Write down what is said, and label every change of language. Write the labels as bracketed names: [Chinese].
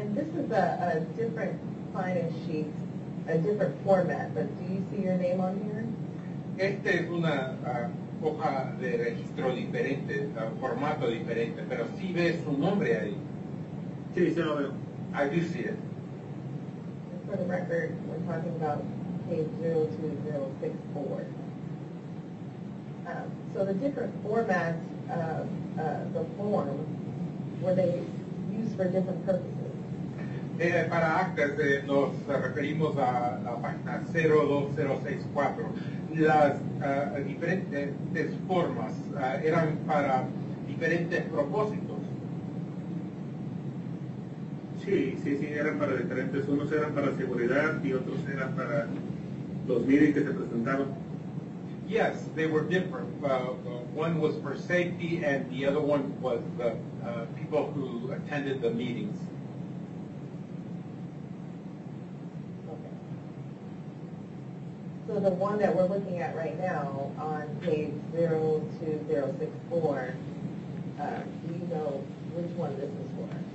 [English] And this is a different sign-in sheet, a different format, but do you see your name on here? [Spanish] Esta es una hoja de registro diferente, formato diferente, pero sí ve su nombre ahí. Sí, se lo veo. [English] I do see it. For the record, we're talking about page 02064. So the different formats, the form, were they used for different purposes? [Spanish] Para actas nos referimos a la página 02064. Las diferentes formas eran para diferentes propósitos. Sí, eran para diferentes. Unos eran para seguridad y otros eran para los meetings que se presentaron. [English] Yes, they were different. One was for safety and the other one was the people who attended the meetings. So the one that we're looking at right now on page 02064, do you know which one this is for?